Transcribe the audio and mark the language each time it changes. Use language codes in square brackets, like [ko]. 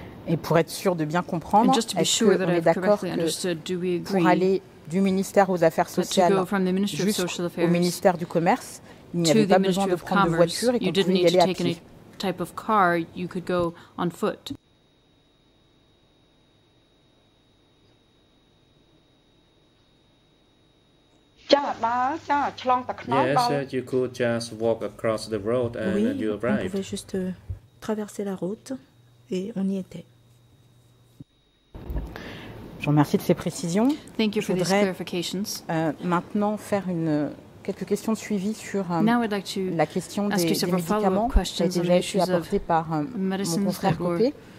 [fr] Et pour être sûr de bien comprendre, est-ce qu'on est d'accord que pour aller du ministère aux Affaires sociales juste au ministère du Commerce, il n'y avait pas besoin de prendre de voiture et qu'on pouvait y aller à pied? [en] Type of car, you could go on foot. Yes, you could just walk across the road and you arrived. [fr] On pouvait juste traverser la route et on y était. Je vous remercie de ces précisions. [en] Thank you for these clarifications. [fr] Maintenant, faire quelques questions de suivi sur la question des médicaments qui a été déjà été apportée par mon confrère Copé.